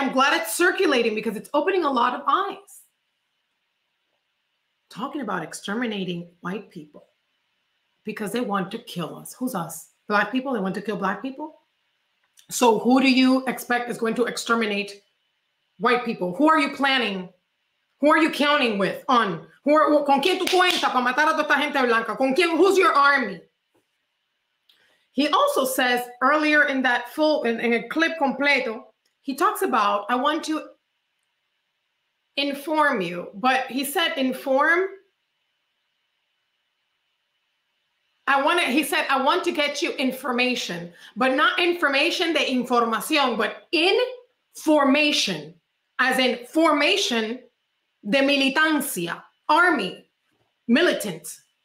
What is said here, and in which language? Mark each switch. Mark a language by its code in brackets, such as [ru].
[en] I'm glad it's circulating, because it's opening a lot of eyes. Talking about exterminating white people because they want to kill us. Who's us? Black people? They want to kill Black people? So who do you expect is going to exterminate white people? Who are you planning? Who are you counting with on? [es] ¿Con quién tú cuentas para matar a toda esta gente blanca? ¿Con quién? [en] Who's your army? He also says earlier in that full, in a [es] clip completo, [en] he talks about, I want to inform you, but he said inform. I want to get you information, but not information [es] de información, [en] but information, as in formation [es] de militancia, [en] army, militant.